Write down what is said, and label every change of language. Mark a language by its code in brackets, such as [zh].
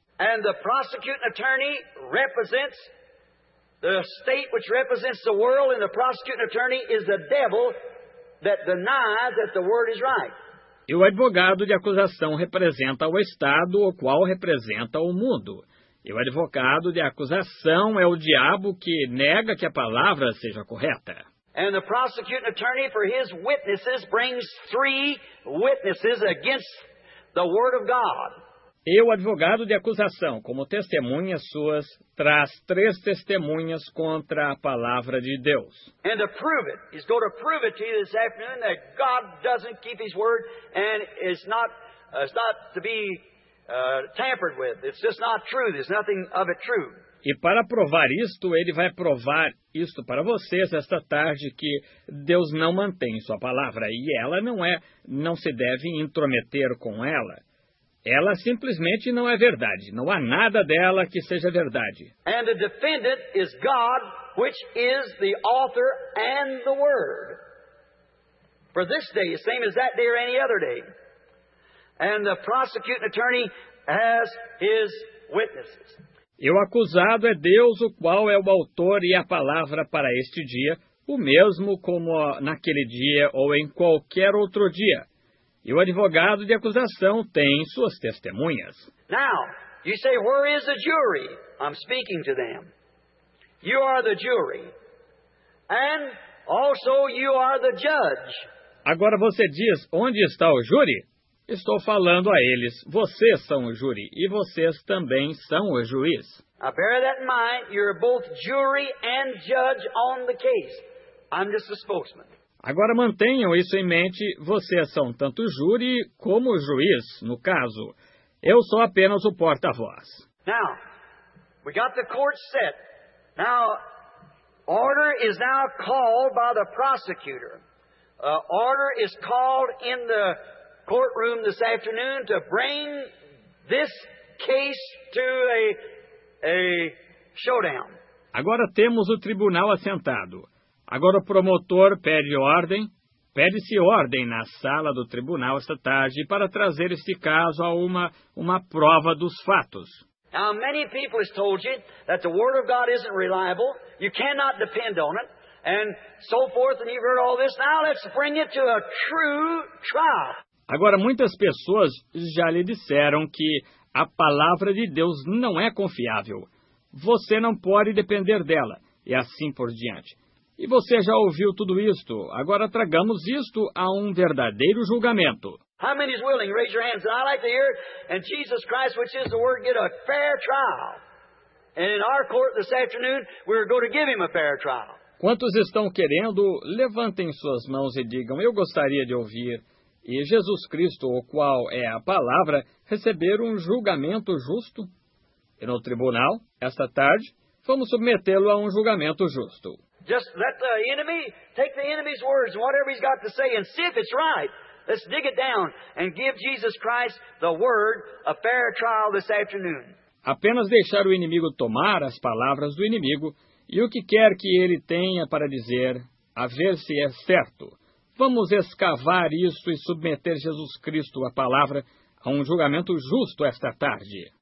[en] And the prosecuting attorney represents the state which represents the world, and the prosecuting attorney is the devil that denies that the word is right. [pt] E o advogado de acusação representa o Estado, o qual representa o mundo. E o advogado de acusação é o diabo que nega que a palavra seja correta. [en] And the prosecuting attorney for his witnesses brings three witnesses against the word of God. [pt] E o advogado de acusação, como testemunhas suas, traz três testemunhas contra a palavra de Deus. [en] And to prove it, he's going to prove it to you this afternoon that God doesn't keep his word and it's not to be tampered with. It's just not true. There's nothing of it true. [pt] E para provar isto, ele vai provar isto para vocês esta tarde, que Deus não mantém sua palavra e ela não se deve intrometer com ela. Ela simplesmente não é verdade. Não há nada dela que seja verdade. [en] And the defendant is God, which is the author and the word. For this day, the same as that day or any other day. And the prosecuting attorney has his witnesses. [pt] E o acusado é Deus, o qual é o autor e a palavra para este dia, o mesmo como naquele dia ou em qualquer outro dia. E o advogado de acusação tem suas testemunhas. [en] Now, you say, where is the jury? I'm speaking to them. You are the jury. And also you are the judge. [pt] Agora você diz, onde está o júri? Estou falando a eles, vocês são o júri e vocês também são o juiz. [en] Now bear that in mind, you're both jury and judge on the case. I'm just a spokesman. [pt] Agora mantenham isso em mente, vocês são tanto júri como juiz, no caso. Eu sou apenas o porta-voz. [en] Now, we got the court set. Now, order is now called by the prosecutor. Order is called in the courtroom this afternoon to bring this case to a showdown. [pt] Agora temos o tribunal assentado. Agora o promotor pede ordem, pede-se ordem na sala do tribunal esta tarde para trazer este caso a uma prova dos fatos. [en] Now, many people have told you that the word of God isn't reliable, you cannot depend on it, and so forth, and you've heard all this. Now let's bring it to a true trial. [pt] Agora muitas pessoas já lhe disseram que a palavra de Deus não é confiável. Você não pode depender dela, e assim por diante. E você já ouviu tudo isto. Agora tragamos isto a um verdadeiro julgamento. [en] How many is willing? Raise your hands. And I like to hear it. And Jesus Christ, which is the word, get a fair trial. And in our court this afternoon, we're going to give him a fair trial. [pt] Quantos estão querendo? Levantem suas mãos e digam, eu gostaria de ouvir. E Jesus Cristo, o qual é a palavra, receber um julgamento justo. E no tribunal, esta tarde, vamos submetê-lo a um julgamento justo. [en] Just let the enemy take the enemy's words, whatever he's got to say, and see if it's right. Let's dig it down and give Jesus Christ the word a fair trial this afternoon. [pt] Apenas deixar o inimigo tomar as palavras do inimigo e o que quer que ele tenha para dizer, a ver se é certo. Vamos escavar isso e submeter Jesus Cristo, a palavra, a um julgamento justo esta tarde.